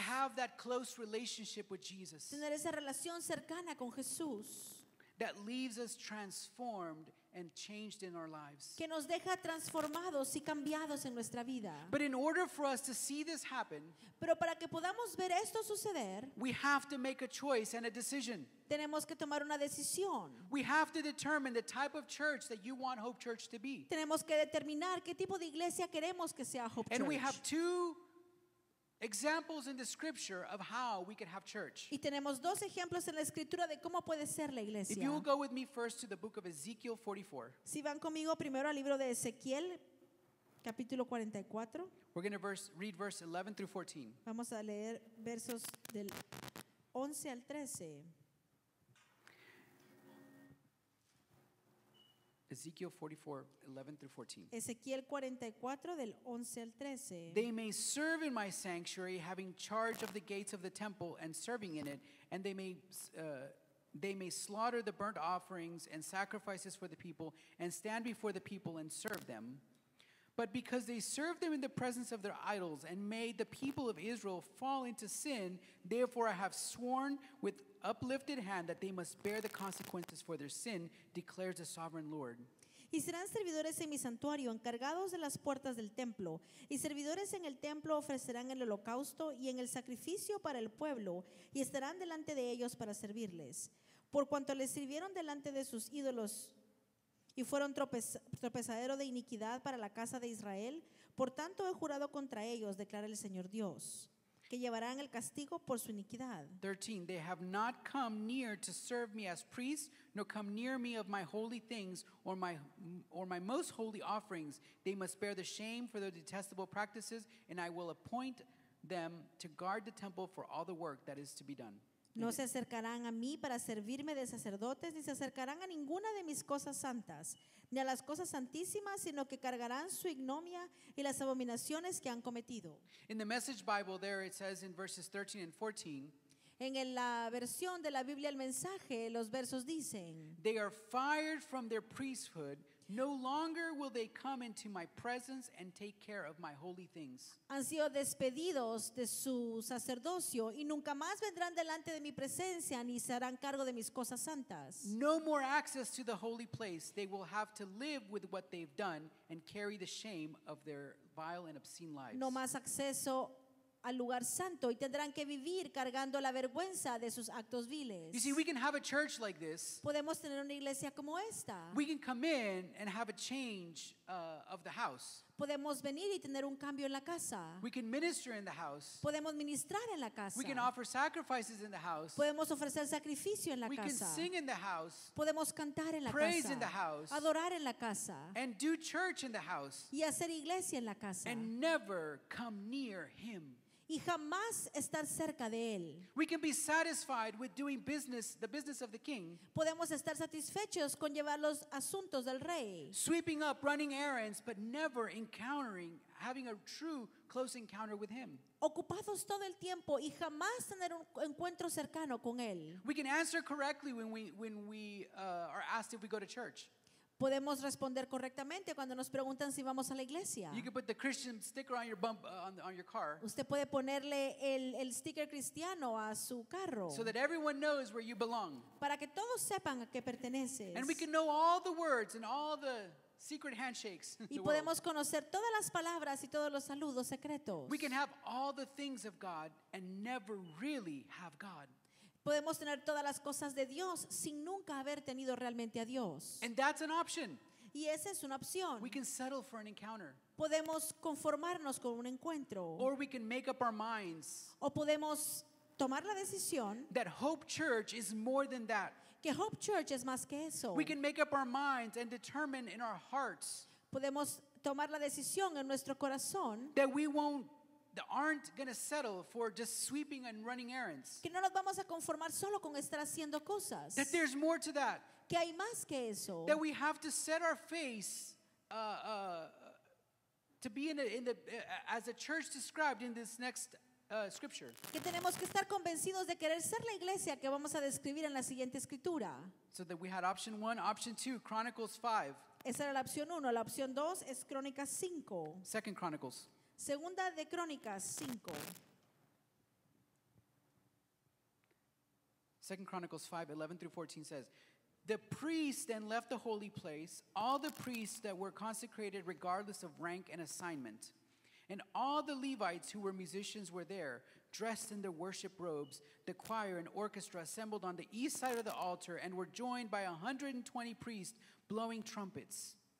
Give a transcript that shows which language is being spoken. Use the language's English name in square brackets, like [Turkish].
[English] To have that close relationship with Jesus. [Spanish] Tener esa relación cercana con Jesús. [English] That leaves us transformed and changed in our lives. [Spanish] Que nos deja transformados y cambiados en nuestra vida. [English] But in order for us to see this happen, [Spanish] pero para que podamos ver esto suceder, [English] we have to make a choice and a decision. [Spanish] Tenemos que tomar una decisión. [English] We have to determine the type of church that you want Hope Church to be. [Spanish] Tenemos que determinar qué tipo de iglesia queremos que sea Hope Church. [English] And we have two examples in the scripture of how we could have church. [Spanish] Y tenemos dos ejemplos en la escritura de cómo puede ser la iglesia. [English] If you will go with me first to the book of Ezekiel 44. [Spanish] Si van conmigo primero al libro de Ezequiel, capítulo 44. [English] We're going to read verse 11 through 14. [Spanish] Vamos a leer versos del 11 al 13. [English] Ezekiel 44, 11 through 14. [Spanish] Ezequiel 44, del 11 al 13. [English] They may serve in my sanctuary, having charge of the gates of the temple and serving in it, and they may slaughter the burnt offerings and sacrifices for the people and stand before the people and serve them. But because they served them in the presence of their idols and made the people of Israel fall into sin, therefore I have sworn with uplifted hand that they must bear the consequences for their sin, declares the sovereign Lord. [Spanish] Y serán servidores en mi santuario, encargados de las puertas del templo, y servidores en el templo ofrecerán el holocausto y en el sacrificio para el pueblo, y estarán delante de ellos para servirles. Por cuanto les sirvieron delante de sus ídolos, y fueron tropezadero de iniquidad para la casa de Israel, por tanto he jurado contra ellos, declara el Señor Dios, que llevarán el castigo por su iniquidad. [English] 13, they have not come near to serve me as priests, nor come near me of my holy things, or my most holy offerings. They must bear the shame for their detestable practices, and I will appoint them to guard the temple for all the work that is to be done. [Spanish] No se acercarán a mí para servirme de sacerdotes, ni se acercarán a ninguna de mis cosas santas, ni a las cosas santísimas, sino que cargarán su ignomia y las abominaciones que han cometido. [English] In the Message Bible there it says in verses 13 and 14, [Spanish] en la versión de la Biblia el mensaje, los versos dicen, [English] they are fired from their priesthood, No longer will they come into my presence and take care of my holy things. [Spanish] Han sido despedidos de su sacerdocio y nunca más vendrán delante de mi presencia ni se harán cargo de mis cosas santas. [English] No more access to the holy place. They will have to live with what they've done and carry the shame of their vile and obscene lives. [Spanish] No más acceso al lugar santo y tendrán que vivir cargando la vergüenza de sus actos viles. [English] You see, we can have a church like this. [Spanish] Podemos tener una iglesia como esta. [English] We can come in and have a change of the house. [Spanish] Podemos venir y tener un cambio en la casa. [English] We can minister in the house. [Spanish] Podemos ministrar en la casa. [English] We can offer sacrifices in the house. [Spanish] Podemos ofrecer sacrificio en la casa. [English] We can sing in the house. [Spanish] Podemos cantar en la casa. [English] Praise in the house. [Spanish] Adorar en la casa. [English] And do church in the house. [Spanish] Y hacer iglesia en la casa. [English] And never come near him. [Spanish] Y jamás estar cerca de él. [English] We can be satisfied with doing business, the business of the king. [Spanish] Podemos estar satisfechos con llevar los asuntos del rey. [English] Sweeping up, running errands, but never encountering, having a true close encounter with him. [Spanish] Ocupados todo el tiempo y jamás tener un encuentro cercano con él. [English] We can answer correctly when we are asked if we go to church. [Spanish] Podemos responder correctamente cuando nos preguntan si vamos a la iglesia. [English] You can put the Christian sticker on your bump, on your car. [Spanish] Usted puede ponerle el sticker cristiano a su carro. [English] So that everyone knows where you belong. [Spanish] Para que todos sepan a qué perteneces. [English] And we can know all the words and all the secret handshakes. [Spanish] Y podemos conocer todas las palabras y todos los saludos secretos. [English] We can have all the things of God and never really have God. [Spanish] Podemos tener todas las cosas de Dios sin nunca haber tenido realmente a Dios. [English] And that's an option. [Spanish] Y esa es una opción. [English] We can settle for an encounter. [Spanish] Podemos conformarnos con un encuentro. [English] Or we can make up our minds. [Spanish] O podemos tomar la decisión. [English] That Hope Church is more than that. [Spanish] Que Hope Church es más que eso. [English] We can make up our minds and determine in our hearts. [Spanish] Podemos tomar la decisión en nuestro corazón. [English] That we won't. That aren't going to settle for just sweeping and running errands. [Spanish] Que no nos vamos a conformar solo con estar haciendo cosas. [English] That there's more to that. [Spanish] Que hay más que eso. [English] That we have to set our face to be in the as the church described in this next scripture. [Spanish] Que tenemos que estar convencidos de querer ser la iglesia que vamos a describir en la siguiente escritura. [English] So that we had option one, option two, Chronicles 5. [Spanish] Esa era la opción uno. La opción dos es Crónicas 5. [English] Second Chronicles. [Spanish] Segunda de Crónicas 5. [English] Second Chronicles 5, 11 through 14 says, "The priests then left the holy place, all the priests that were consecrated regardless of rank and assignment, and all the Levites who were musicians were there, dressed in their worship robes, the choir and orchestra assembled on the east side of the altar and were joined by 120 priests blowing trumpets.